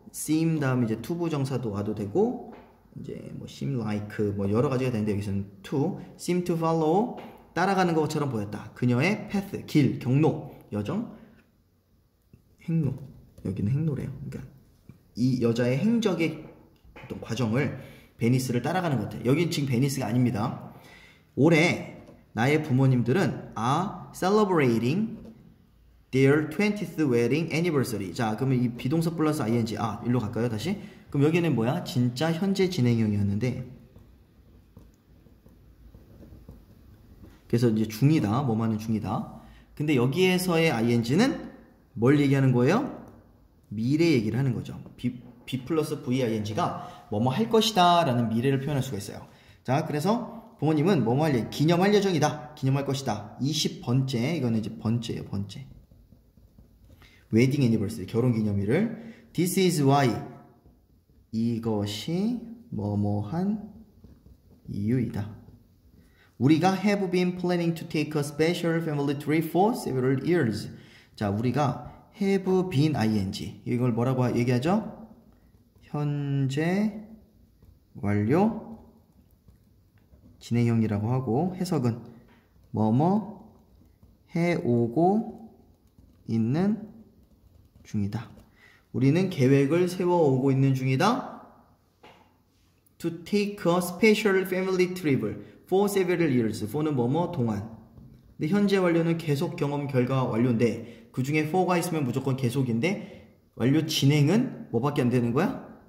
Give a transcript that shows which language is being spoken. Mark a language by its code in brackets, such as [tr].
[ko] seem 다음에 이제 to 부정사도 와도 되고 이제 뭐 seem like 뭐 여러 가지가 되는데 여기서는 [en] to seem to follow [ko] 따라가는 것처럼 보였다. 그녀의 path 길 경로 여정 행로 여기는 행로래요. 그러니까 이 여자의 행적의 어떤 과정을 베니스를 따라가는 것 같아요. 여긴 지금 베니스가 아닙니다. 올해 나의 부모님들은 [en] are celebrating Their 20th wedding anniversary. [ko] 자, 그러면 이 비동사 플러스 ing. 아, 일로 갈까요, 다시? 그럼 여기는 뭐야? 진짜 현재 진행형이었는데. 그래서 이제 중이다. 뭐 하는 중이다. 근데 여기에서의 ing는 뭘 얘기하는 거예요? 미래 얘기를 하는 거죠. be 플러스 ving가 뭐뭐 할 것이다. 라는 미래를 표현할 수가 있어요. 자, 그래서 부모님은 뭐뭐 할 예, 기념할 예정이다. 기념할 것이다. 20번째. 이거는 이제 번째예요, 번째. 웨딩 애니버설, 결혼기념일을 [en] This is why [ko] 이것이 뭐뭐한 이유이다. 우리가 [en] have been planning to take a special family tree for several years. [ko] 자, 우리가 have been ing 이걸 뭐라고 얘기하죠? 현재 완료 진행형이라고 하고 해석은 뭐뭐 해오고 있는 중이다. 우리는 계획을 세워오고 있는 중이다. [en] To take a special family trip for several years. [ko] for는 뭐뭐 동안. 근데 현재 완료는 계속 경험 결과 완료인데 그 중에 for가 있으면 무조건 계속인데 완료 진행은 뭐밖에 안 되는 거야?